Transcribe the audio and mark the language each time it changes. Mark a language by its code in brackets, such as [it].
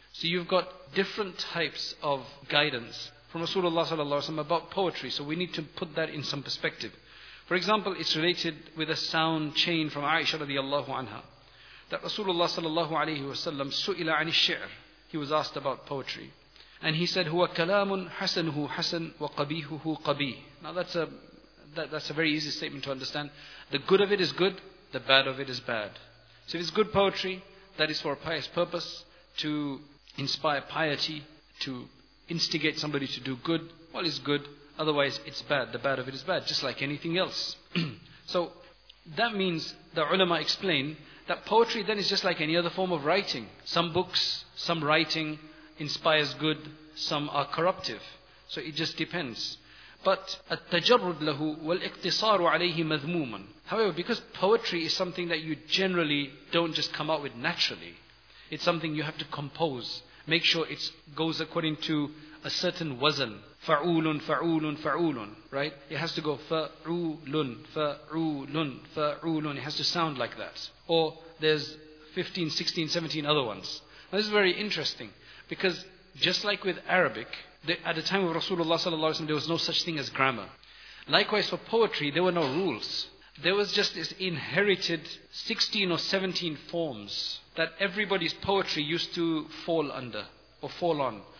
[en] So you've got different types of guidance from Rasulullah sallallahu alaihi wasallam about poetry, so we need to put that in some perspective. For example, it's related with a sound chain from Aisha radiallahu anha, that Rasulullah sallallahu alaihi wasallam [ar] su'ila ani shi'r. [en] He was asked about poetry. And he said, [ar] هُوَ كَلَامٌ حَسَنُهُ حَسَنٌ وَقَبِيهُهُ قَبِيهُ. [en] Now that's a very easy statement to understand. The good of it is good, the bad of it is bad. So if it's good poetry, that is for a pious purpose, to inspire piety, to instigate somebody to do good, well, it's good. Otherwise, it's bad. The bad of it is bad, just like anything else. So, that means the ulama explain that poetry then is just like any other form of writing. Some books, some writing inspires good, some are corruptive. So it just depends. But [ar] التجرد له والاقتصار عليه مذموما. [en] However, because poetry is something that you generally don't just come out with naturally, it's something you have to compose, make sure it goes according to a certain wazan. [ar] فَعُولٌ فَعُولٌ فَعُولٌ, [en] right? It has to go [ar] فَعُولٌ فَعُولٌ فَعُولٌ. [en] It has to sound like that. Or there's 15, 16, 17 other ones. Now this is very interesting, because just like with Arabic, at the time of Rasulullah ﷺ, there was no such thing as grammar. Likewise for poetry, there were no rules. There was just this inherited 16 or 17 forms that everybody's poetry used to fall under or fall on.